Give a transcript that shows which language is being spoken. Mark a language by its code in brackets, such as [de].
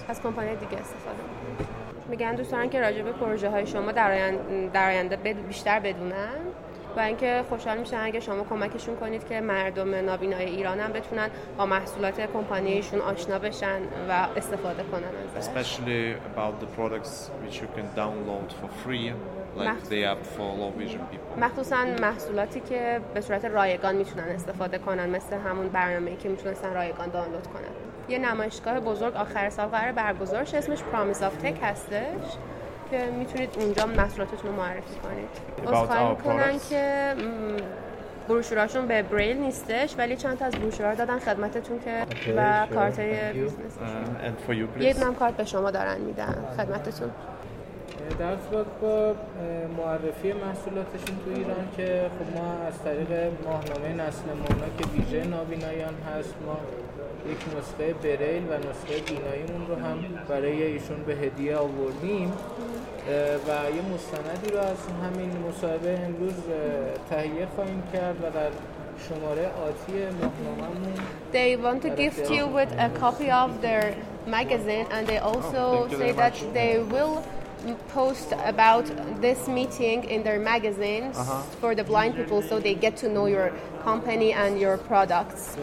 [fa] از کمپانی دیگه استفاده میکنن. میگن دوست دارن که راجع به پروژه های شما در آینده بیشتر بدونن و اینکه خوشحال میشن اگه شما کمکشون کنید که مردم نابینای ایران هم بتونن با محصولات کمپانیشون آشنا بشن و استفاده کنن ازش. [en] Especially about the products which you can download for free, like the app for low vision people. [fa] مخصوصا محصولاتی که به صورت رایگان میتونن استفاده کنن، مثل همون برنامه‌ای که میتونن رایگان دانلود کنن. یه نمایشگاه بزرگ آخر سال قرار برگزارش، اسمش Promise of Tech هستش، که میتونید اونجا محصولاتتون رو معرفی کنید. اصخایی میکنن که بروشوراشون به بریل نیستش، ولی چند تا از بروشورا دادن خدمتتون که okay, و کارت های بیزنسشون. یه دنم کارت به شما دارن میدن خدمتتون. در صورت با معرفی محصولاتشون تو ایران که خب ما از طریق ماهنامه نسل مونا که ویژه نابینایان هست ما یک نسخه بریل و نسخه بیناییمون رو هم برای ایشون به هدیه آوردیم و یه مستندی رو از همین مصاحبه امروز تهیه خواهیم کرد و در شماره آتی ماهنامه‌مون. [en] They want to gift you with a copy of their magazine and they also say that they will post about this meeting in their magazine for the blind people so they get to know your company and your products.